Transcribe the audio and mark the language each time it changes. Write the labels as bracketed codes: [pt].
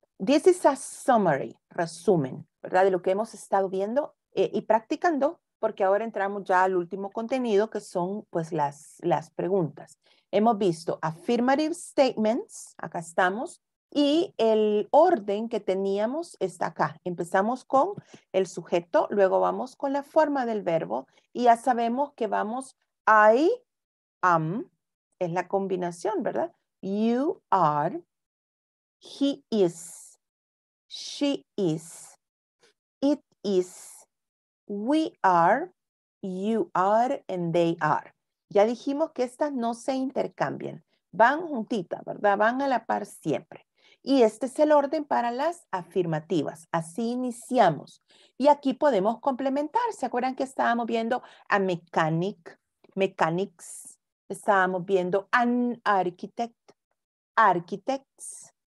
[en] This is a summary, [es] resumen, ¿verdad? De lo que hemos estado viendo y practicando, porque ahora entramos ya al último contenido, que son pues las preguntas. Hemos visto [en] affirmative statements, [es] acá estamos, y el orden que teníamos está acá. Empezamos con el sujeto, luego vamos con la forma del verbo, y ya sabemos que vamos... [en] I am, [es] es la combinación, ¿verdad? [en] You are, he is, she is, it is, we are, you are, and they are. [es] Ya dijimos que estas no se intercambian, van juntitas, ¿verdad? Van a la par siempre. Y este es el orden para las afirmativas. Así iniciamos. Y aquí podemos complementar. ¿Se acuerdan que estábamos viendo a mechanic? Mechanics, estábamos viendo an architect, architects.